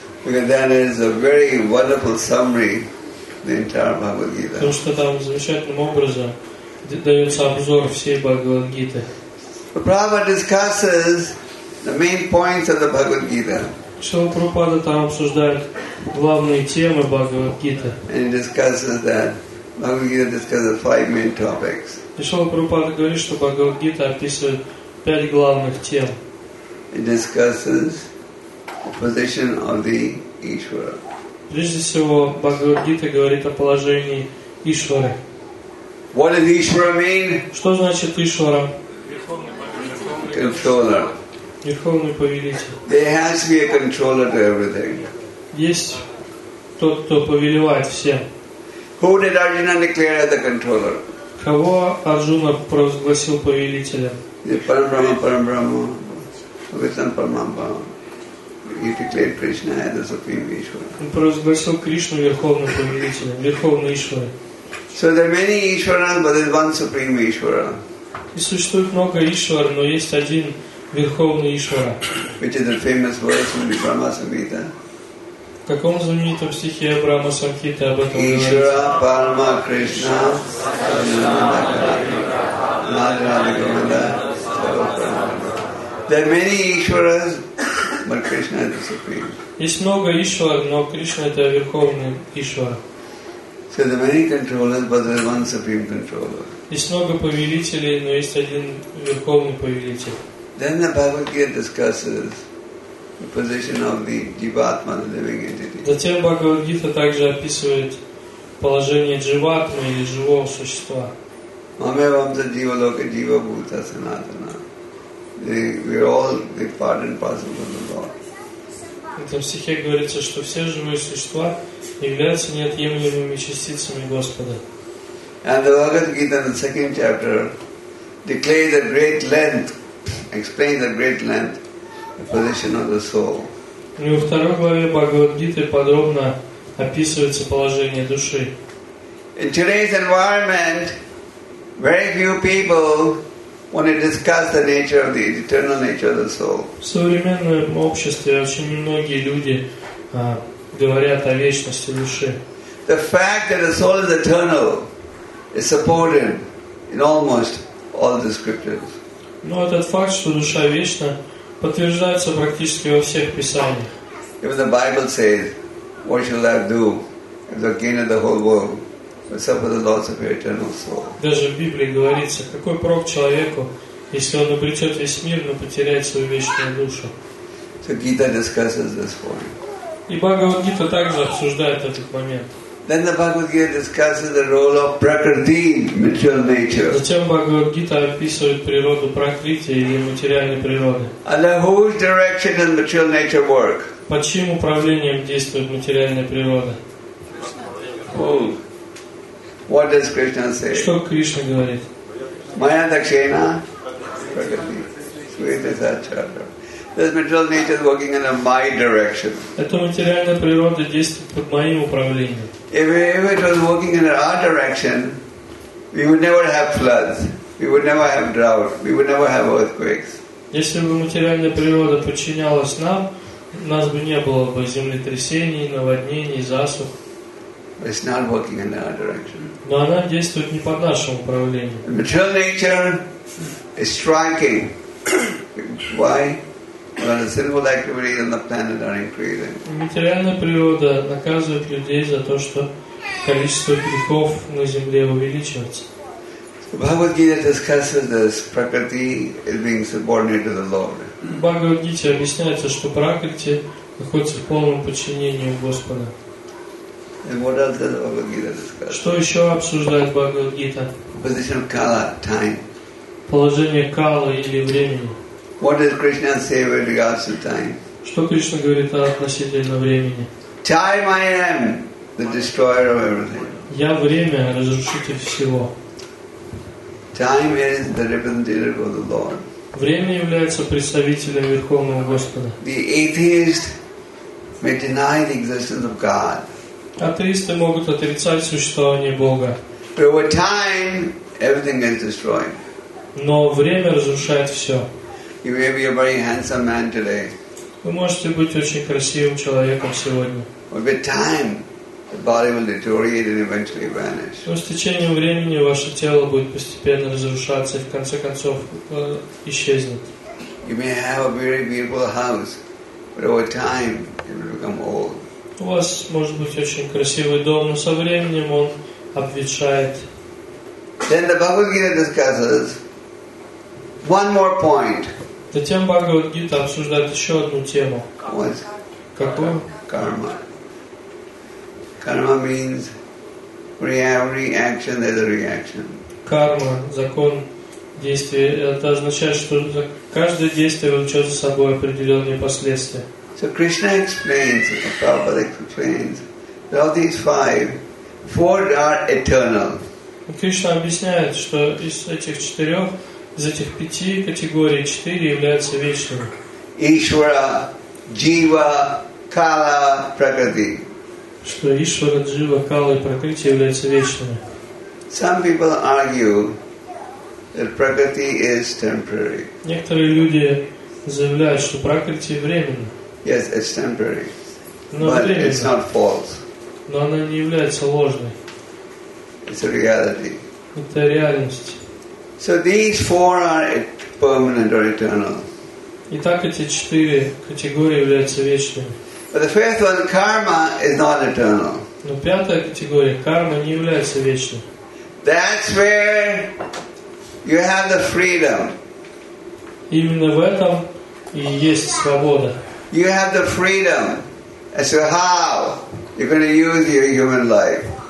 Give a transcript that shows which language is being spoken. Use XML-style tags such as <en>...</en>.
<en>Because that is a very wonderful summary, the entire Bhagavad Gita.</en> <ru>Потому что там замечательным образом дается обзор всей Бхагавад Гиты.</ru> <en>Prabhupada discusses the main points of the Bhagavad Gita.</en> <ru>Шрила Прабхупада там обсуждает главные темы Бхагавад Гиты.</ru> <en>And he discusses that Bhagavad Gita discusses five main topics.</en> <ru>Шрила Прабхупада говорит, что Бхагавад Гита описывает пять главных тем.</ru> <en>it discusses the position of the Ishvara.</en> <ru>Прежде всего, Бхагавад-гита говорит о положении Ишвары.</ru> <en>What does Ishvara mean?</en> <ru>Что значит Ишвара?</ru> <en>Controller.</en> <ru>Верховный повелитель.</ru> <en>There has to be a controller to everything.</en> <ru>Есть тот, кто повелевает всем.</ru> <en>Who did Arjuna declare as the controller?</en> <ru>Кого Арджуна провозгласил повелителем?</ru> <sa>The Parambrahma, Parambrahma, Vitam Parambrahma.</sa> <en>He declared Krishna as the supreme Ishvara.</en> <ru>Он провозгласил Кришну верховным повелителем, верховный Ишвара.</ru> <en>So there are many Ishvaras, but there is one supreme Ishvara.</en> <ru>И существует много Ишвар, но есть один верховный Ишвара.</ru> <en>Which is the famous verse in the Brahma Samhita.</en> <ru>В каком знаменитом стихе Брахма Самхита об этом говорится?</ru> <sa>Ишвара Парма Кришна Саджана Мадхавикаманда.</sa> <en>There are many Ishvaras, but Krishna is the supreme.</en> <ru>Есть много Ишвар, но Кришна это верховный Ишвара.</ru> <en>So there are many controllers, but there is one supreme controller.</en> <ru>Есть много повелителей, но есть один верховный повелитель.</ru> <en>Then the Bhagavad Gita discusses the position of the Jivatma, the living entity.</en> <ru>Затем Бхагавад-гита также описывает положение Дживатмы или живого существа.</ru> <sa>Мамевамса Дживалока Дживабхута Санатана.</sa> <en>We are all the part and parcel of the Lord.</en> <ru>В этом стихе говорится, что все живые существа являются неотъемлемыми частицами Господа.</ru> <en>And the Bhagavad Gita in the second chapter declares at great length, explains at great length the position of the soul.</en> <ru>И во второй главе Бхагавад-гиты подробно описывается положение души.</ru> <en>In today's environment, very few people want to discuss the nature of the eternal nature of the soul.</en> <ru>В современном обществе очень немногие люди говорят о вечности души.</ru> <en>The fact that the soul is eternal is supported in almost all the scriptures.</en> <ru>Но этот факт, что душа вечна, подтверждается практически во всех писаниях.</ru> <en>Even the Bible says, "What shall I do if I gain the whole world, but suffer the loss of your eternal soul?"</en> <ru>Даже в Библии говорится, какой прок человеку, если он обретет весь мир, но потеряет свою вечную душу.</ru> <en>So Gita discusses this point.</en> <ru>И Бхагавад-гита также обсуждает этот момент.</ru> <en>Then the Bhagavad Gita discusses the role of prakriti, material nature.</en> <ru>Затем Бхагавад Гита описывает природу пракрити или материальной природы.</ru> <en>Under whose direction does material nature work?</en> <ru>Под чьим управлением действует материальная природа?</ru> <en>Oh. What does Krishna say?</en> <ru>Что Кришна говорит?</ru> <sa>Maya dakshina prakriti.</sa> <en>Sweet is that chapter. This material nature is working under my direction.</en> <ru>Эта материальная природа действует под моим управлением.</ru> <en>If it was working in our direction, we would never have floods, we would never have drought, we would never have earthquakes.</en> <ru>Если бы материальная природа подчинялась нам, нас бы не было бы землетрясений, наводнений, засух.</ru> <en>It's not working in our direction.</en> <ru>Но она действует не под нашим управлением.</ru> <en>Material nature is striking. Why? Well, the sinful activities on the planet are increasing.</en> <ru>Материальная природа наказывает людей за то, что количество грехов на Земле увеличивается.</ru> <en>So, Bhagavad Gita discusses this prakriti is being subordinated to the Lord.</en> <ru>Бхагавад Гите объясняется, что пракрити находится в полном подчинении у Господа.</ru> <en>And what else does Bhagavad Gita discuss?</en> <ru>Что еще обсуждает Бхагавад Гита?</ru> <en>Position of kala, time.</en> <ru>Положение калы или времени.</ru> <en>What does Krishna say with regards to time?</en> <ru>Что Кришна говорит относительно времени?</ru> <en>Time I am, the destroyer of everything.</en> <ru>Я время, разрушитель всего.</ru> <en>Time is the representative of the Lord.</en> <ru>Время является представителем Верховного Господа.</ru> <en>The atheist may deny the existence of God.</en> <ru>Атеисты могут отрицать существование Бога.</ru> <en>But with time, everything is destroyed.</en> <ru>Но время разрушает все.</ru> <en>You may be a very handsome man today.</en> <ru>Вы можете быть очень красивым человеком сегодня.</ru> <en>But with time, the body will deteriorate and eventually vanish.</en> <ru>Но с течением времени ваше тело будет постепенно разрушаться и в конце концов исчезнет.</ru> <en>You may have a very beautiful house, but over time it will become old.</en> <ru>У вас может быть очень красивый дом, но со временем он обветшает.</ru> <en>Then the Bhagavad Gita discusses one more point.</en> <ru>Затем Бхагавад-гита обсуждает еще одну тему.</ru> <en>What?</en> <ru>Какую?</ru> <en>Карма. Карма means for every action there's a reaction.</en> <ru>Карма, закон действия, это означает, что каждое действие влечет за собой определенные последствия.</ru> <en>So Krishna explains, Prabhupada explains, that all these five, four are eternal.</en> <ru>Кришна объясняет, что из этих четырех, из этих пяти категорий, четыре являются вечными. Ишвара, Джива, Кала, Пракрити. Что Ишвара, Джива, Кала и Пракрити являются вечными.</ru> <en>Some people argue that Prakriti is temporary.</en> <ru>Некоторые люди заявляют, что Пракрити временна.</ru> <en>Yes, it's temporary.</en> <ru>Но</ru> <en>but</en> <ru>временно.</ru> <en>It's not false.</en> <ru>Но она не является ложной.</ru> <en>It's a reality.</en> <ru>Это реальность.</ru> <en>So these four are permanent or eternal.</en> <ru>Итак, эти четыре категории являются вечными.</ru> <en>But the fifth one, karma, is not eternal.</en> <ru>Но пятая категория, карма, не является вечной.</ru> <en>That's where you have the freedom.</en> <ru>Именно в этом и есть свобода.</ru> <en>You have the freedom as to how you're going to use your human life.</en>